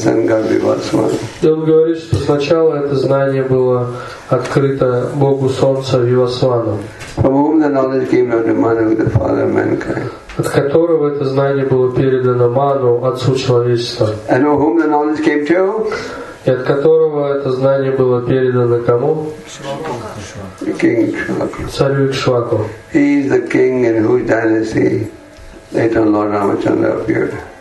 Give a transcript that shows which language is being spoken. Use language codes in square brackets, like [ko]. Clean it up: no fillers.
[ru] И он говорит, что сначала это знание было открыто Богу Солнца Вивасвану. [en] From whom the knowledge came of the Manu, the father of mankind. [ru] От которого это знание было передано Ману, отцу человечества. [en] And from whom the knowledge came to? [ru] И от которого это знание было передано кому? [en] The king Ikshvaku. [ru] Царю Ikshvaku. [en] He is the king in whose dynasty later Lord Ramachandra appeared.